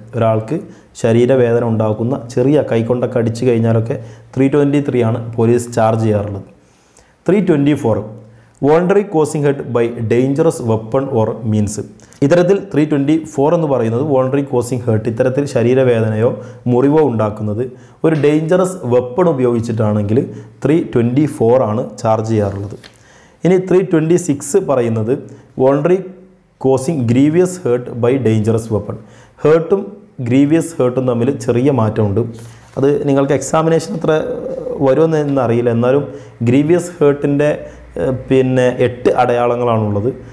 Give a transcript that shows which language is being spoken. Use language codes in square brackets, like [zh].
[ml] ഒരാൾക്ക് ശരീരവേദന ഉണ്ടാക്കുന്ന ചെറിയ കൈകൊണ്ട് കടിച്ചു കഴിഞ്ഞാലൊക്കെ 323 ആണ് പോലീസ് ചാർജ് ചെയ്യാറുള്ളത്. [en] 324 voluntary causing hurt by dangerous weapon or means. [ml] ഇത്തരത്തിൽ 324 എന്ന് പറയുന്നത് [en] voluntary causing hurt, [ml] ഇത്തരത്തിൽ ശരീരവേദനയോ മുറിവോ ഉണ്ടാക്കുന്നത് ഒരു ഡേഞ്ചറസ് വെപ്പൺ ഉപയോഗിച്ചിട്ടാണെങ്കിൽ 324 ആണ് ചാർജ് ചെയ്യാറുള്ളത്. ഇനി 326 പറയുന്നത് [en] voluntary causing grievous hurt by dangerous weapon. [ml] ഹേർട്ടും grievous ഹേർട്ടും തമ്മിൽ ചെറിയ മാറ്റമുണ്ട്. അത് നിങ്ങൾക്ക് എക്സാമിനേഷൻ അത്ര വരുമെന്ന് അറിയില്ല. എന്നാലും ഗ്രീവിയസ് ഹേർട്ടിൻ്റെ പിന്നെ 8 അടയാളങ്ങളാണുള്ളത്.